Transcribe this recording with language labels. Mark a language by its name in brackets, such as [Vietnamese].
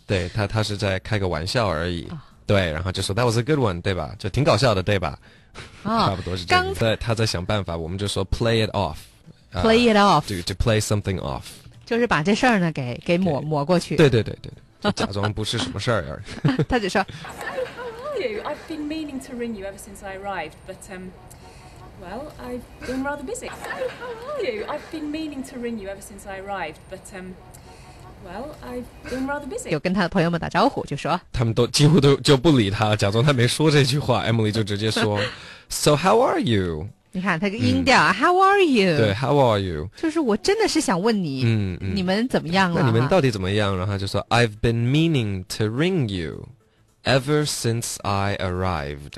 [Chinese] 对，他是在开个玩笑而已、哦、对，然后就说 [English] That was a good one， [Chinese] 对吧，就挺搞笑的，对吧、哦、差不多是这样。他在想办法，我们就说 [English] play it off， play it off， to play something off， [Chinese] 就是把这事儿呢给抹过去，对对对对，就假装不是什么事儿。他就说 [English] How are you? I've been meaning to ring you ever since I arrived, but well, I've been rather busy. How are you? I've been meaning to ring you ever since I arrived, but well, I've been rather busy. [Chinese] 有跟他的朋友们打招呼，就说他们都几乎都就不理他，假装他没说这句话。 Emily 就直接说 [English] So how are you? [Chinese] 你看他个音调、 [English] How are you? 对 How are you? [Chinese] 就是我真的是想问你你们怎么样了，那你们到底怎么样，然后就说 [English] I've been meaning to ring you ever since I arrived。